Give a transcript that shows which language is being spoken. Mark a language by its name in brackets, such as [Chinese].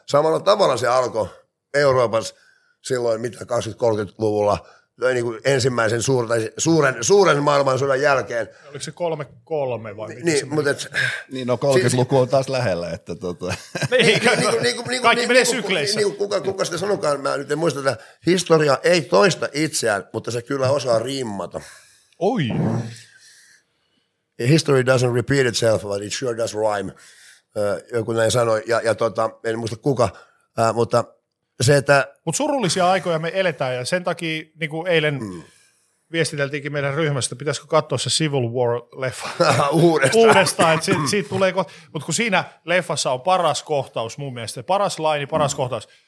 [Finnish] Samalla tavalla se alkoi Euroopassa. Silloin mitä 20-30-luvulla, niin kuin ensimmäisen suuren maailmansodan jälkeen. Oliko se 3-3 vai mitä niin, se mutta niin, no 30-luku on taas lähellä. Että tota. Kaikki menee sykleissä. Kuka sitä sanokaan, mä nyt en muista, että historia ei toista itseään, mutta se kyllä osaa rimmata. Oi! [English] History doesn't repeat itself, but it sure does rhyme. [Finnish] Joku näin sanoi, ja tota, en muista kuka, mutta... Mutta surullisia aikoja me eletään ja sen takia, niin kuin eilen viestiteltiinkin meidän ryhmästä, pitäisikö katsoa se Civil War-leffa uudestaan. Siitä tulee mutta kun siinä leffassa on paras kohtaus mun mielestä, paras laini, paras kohtaus.